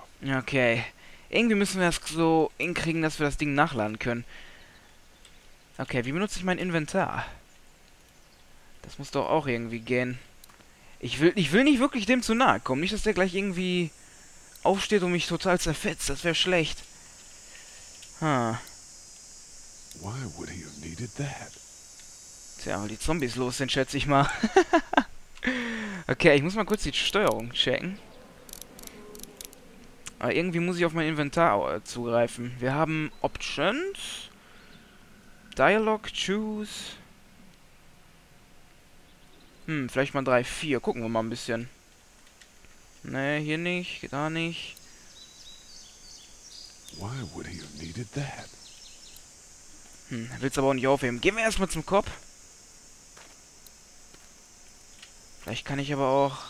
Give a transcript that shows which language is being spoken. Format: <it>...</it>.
<de>Okay. Irgendwie müssen wir das so hinkriegen, dass wir das Ding nachladen können. Okay, wie benutze ich mein Inventar? Das muss doch auch irgendwie gehen. Ich will nicht wirklich dem zu nahe kommen. Nicht, dass der gleich irgendwie aufsteht und mich total zerfetzt. Das wäre schlecht.</de> <en>Why would he have needed that?</en> <de>Tja, weil die Zombies los sind, schätze ich mal. Okay, ich muss mal kurz die Steuerung checken. Aber irgendwie muss ich auf mein Inventar zugreifen. Wir haben Options.</de> <en>Dialog, Choose.</en> <de>Hm, vielleicht mal 3, 4. Gucken wir mal ein bisschen. Nee, hier nicht. Geht da nicht.</de> <en>Why would he have needed that?</en> <de>Hm, willst aber auch nicht aufheben. Gehen wir erstmal zum Kopf. Vielleicht kann ich aber auch...</de>